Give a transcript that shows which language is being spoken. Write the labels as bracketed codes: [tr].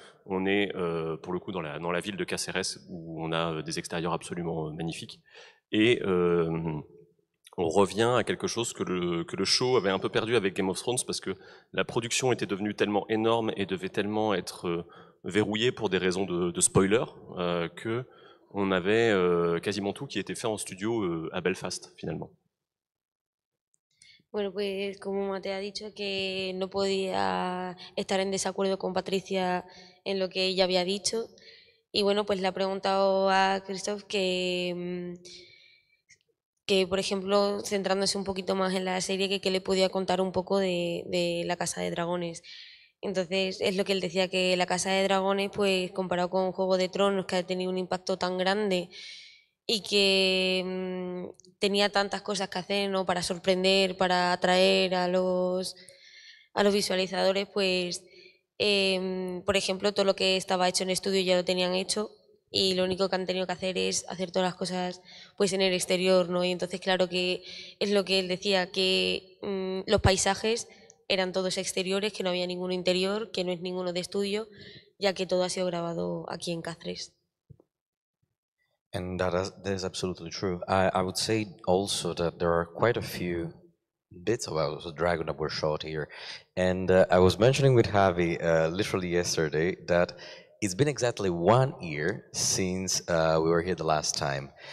[fr] On est pour le coup dans la ville de Cáceres, où on a des extérieurs absolument magnifiques, et on revient à quelque chose que le show avait un peu perdu avec Game of Thrones, parce que la production était devenue tellement énorme et devait tellement être verrouillée pour des raisons de spoiler que on avait quasiment tout qui était fait en studio à Belfast finalement. [es] Bueno, pues como Mateo ha dicho, que no podía estar en desacuerdo con Patricia en lo que ella había dicho. Y bueno, pues le ha preguntado a Christoph que, por ejemplo, centrándose un poquito más en la serie, que le podía contar un poco de la Casa de Dragones. Entonces, es lo que él decía, que la Casa de Dragones, pues comparado con Juego de Tronos, que ha tenido un impacto tan grande y que tenía tantas cosas que hacer, ¿no?, para sorprender, para atraer a los visualizadores, pues, por ejemplo, todo lo que estaba hecho en estudio ya lo tenían hecho, y lo único que han tenido que hacer es hacer todas las cosas pues en el exterior, ¿no? Y entonces, claro, que es lo que él decía, que los paisajes eran todos exteriores, que no había ninguno interior, que no es ninguno de estudio, ya que todo ha sido grabado aquí en Cáceres. [en] And that is absolutely true. I would say also that there are quite a few bits of House of the Dragon that were shot here. And I was mentioning with Javi literally yesterday that it's been exactly 1 year since we were here the last time.